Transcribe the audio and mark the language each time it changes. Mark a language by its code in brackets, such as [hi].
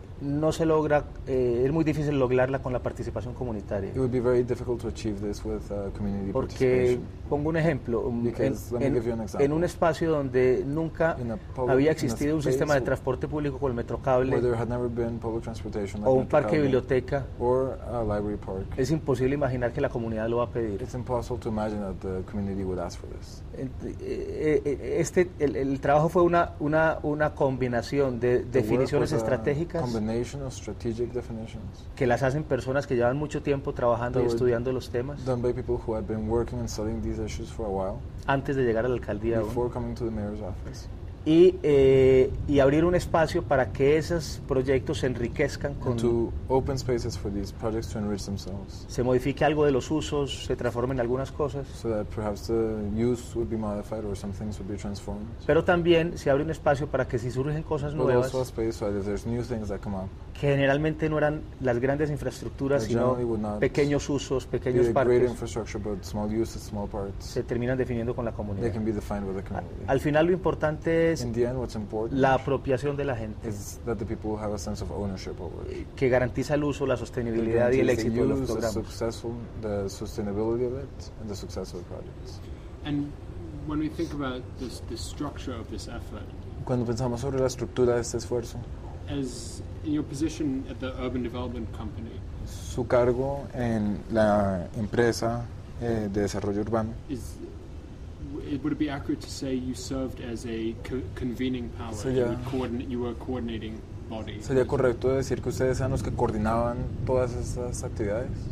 [es] No se logra, es muy difícil lograrla con la participación comunitaria. [en] It would be very difficult to achieve this with community [es] porque, [en] participation. [es] Pongo un ejemplo. [en] Let me give you an example. [es] En un espacio donde nunca había existido un sistema de transporte público con el metrocable. [en] Where there had never been public transportation like [es] o un parque de biblioteca. [en] Or a library park. [es] Es imposible imaginar que la comunidad lo va a pedir. [en] It's impossible to imagine that the community would ask for this. [es] El trabajo fue una combinación de definiciones estratégicas. [en] Of strategic definitions. [es] Que las hacen personas que llevan mucho tiempo trabajando y estudiando los temas. [en] Done by people who had been working and studying these issues for a while. [es] Antes de llegar a la alcaldía. [en] Before coming to the mayor's office. [es] Y abrir un espacio para que esos proyectos se enriquezcan con. [en] And to open spaces for these projects to enrich themselves. [es] Se modifique algo de los usos, se transformen algunas cosas. [en] So that perhaps the use would be modified or some things would be transformed. [es] Pero también se abre un espacio para que si surgen cosas [en] but [es] nuevas. [en] But also a space so that if there's new things that come up. [es] Que generalmente no eran las grandes infraestructuras, sino pequeños usos, pequeños parques. [en] Great infrastructure, but small uses, small parts. [es] Se terminan definiendo con la comunidad. [en] They can be defined with the community. [es] Al final lo importante es [en] in the end, what's important [es] la apropiación de la gente. [en] Is that the people have a sense of ownership over it. [es] Que garantiza el uso, la sostenibilidad y el éxito de los programas. [en] The sustainability of it and the success of the projects. And when we think about the structure of this effort. [es] Cuando pensamos sobre la estructura de este esfuerzo. [en] As in your position at the urban development company. [es] Su cargo en la empresa de desarrollo urbano. [en] Would it be accurate to say you served as a convening power? You were a coordinating body. [es] Sería correcto decir que ustedes eran los que coordinaban todas esas actividades.